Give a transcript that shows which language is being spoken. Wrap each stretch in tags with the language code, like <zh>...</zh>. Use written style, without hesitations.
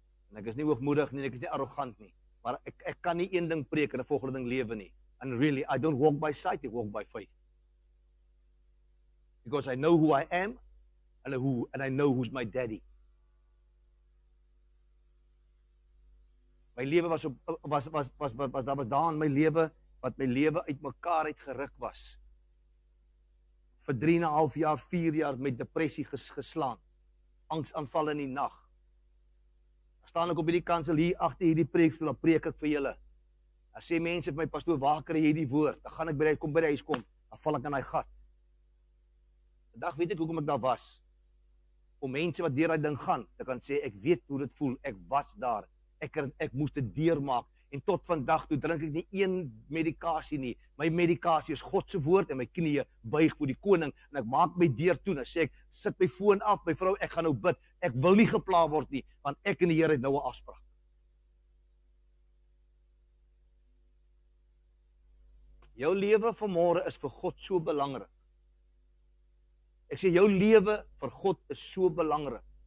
<af>En ek is nie hoogmoedig nie, ek is nie arrogant nie, maar ek kan nie een ding preek en die volgende ding lewe nie.</af> <en>And really, I don't walk by sight, I walk by faith. Because I know who I am, and I know who's my daddy.</en> <af>My lewe was daar in my lewe, wat my lewe uit mekaar uit geruk was. Vir 3,5 jaar, 4 jaar met depressie geslaan. Angsaanval in die nacht. Dan staan ek op die kansel hier, achter hierdie preekstel, dan preek ek vir julle. Dan sê mense vir my, pastoor, waar kry jy die woord? Dan gaan ek by die huis kom, dan val ek in die gat. Vandag weet ek hoekom ek daar was. Om mense wat deur die ding gaan, te kan sê, ek weet hoe dit voel, ek was daar. Ek moest dit deur maak. En tot vandag toe drink ek nie een medikasie nie. My medikasie is Godse woord en my knie buig voor die koning. En ek maak my deur toe en ek sê ek, sit my foon af, my vrou, ek gaan nou bid. Ek wil nie gepla word nie, want ek en die Here het nou 'n afspraak. Jou lewe vanmôre is vir God so belangrik. Ek sê jou lewe vir God is so belangrik.</af>